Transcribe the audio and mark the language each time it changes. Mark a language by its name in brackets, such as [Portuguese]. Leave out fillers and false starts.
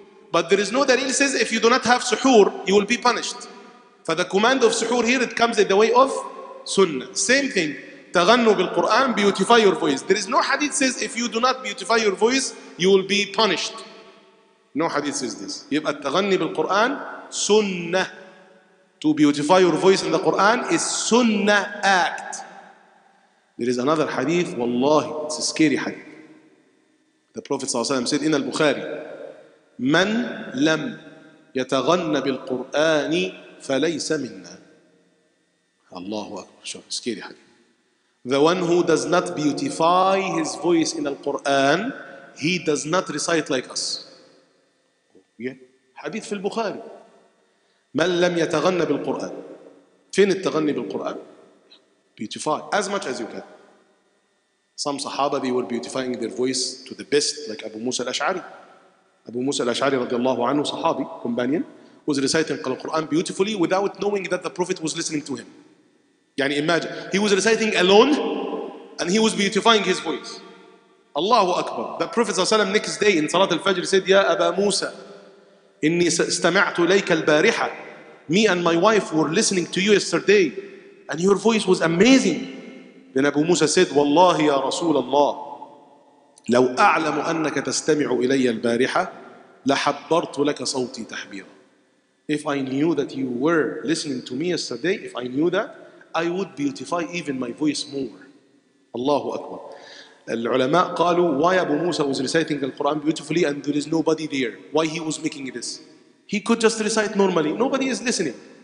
[English] But there is no dalil says if you do not have suhoor, you will be punished. For the command of suhoor here, it comes in the way of sunnah. Same thing, [Arabic] تغنوا بالقرآن, [English] beautify your voice. There is no hadith says if you do not beautify your voice, you will be punished. No hadith says this. [Arabic] يبقى التغني بالقرآن سنة. [English] To beautify your voice in the Quran is sunnah act. There is another hadith, والله, it's a scary hadith. The Prophet [Arabic] صلى الله عليه وسلم [English] said in [Arabic] البخاري, من لم يتغنى بالقرآن فليس منا. الله أكبر. شوف سكيري حديث. [English] The one who does not beautify his voice in the Quran, he does not recite like us. Yeah. [Arabic] حديث في البخاري. من لم يتغنى بالقرآن. فين التغني بالقرآن؟ [English] Beautify as much as you can. Some Sahaba, they were beautifying their voice to the best, like Abu Musa al-Ash'ari. Abu Musa al-Ash'ari [Arabic] رضي الله عنه, [English] Sahabi, companion, was reciting the Quran beautifully without knowing that the Prophet was listening to him. يعني imagine, he was reciting alone and he was beautifying his voice. Allahu Akbar. The Prophet ﷺ next day in Salat al-Fajr said, Ya Aba Musa, [Arabic] إني استمعت إليك البارحة. [English] Me and my wife were listening to you yesterday and your voice was amazing. Then Abu Musa said, [Arabic] والله يا رسول الله لو أعلم أنك تستمع إلي البارحة لحبرت لك صوتي تحبيرا. [English] If I knew that you were listening to me yesterday, if I knew that, I would beautify even my voice more. [Arabic] الله أكبر. العلماء قالوا, [English] why Abu Musa was reciting the Quran beautifully and there is nobody there? Why he was making this? He could just recite normally. Nobody is listening.